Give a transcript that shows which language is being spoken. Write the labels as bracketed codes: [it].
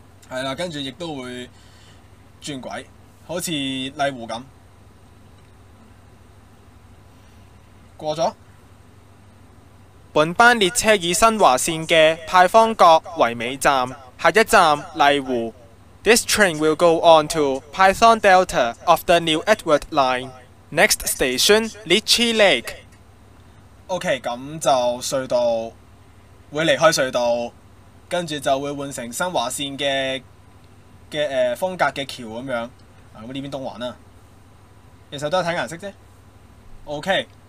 [yue] 是啦，跟住亦都会转轨，好像丽湖咁。过咗。本班列车以新华线的派方角为尾站，下一站丽湖。 [en] This train will go on to Python Delta of the New Edward Line. Next station, Litchi Lake. [yue] OK, 咁就隧道会离开隧道，跟住就会换成新华线嘅风格嘅桥咁样。啊，咁呢边东环啦，其实都系睇颜色啫。OK。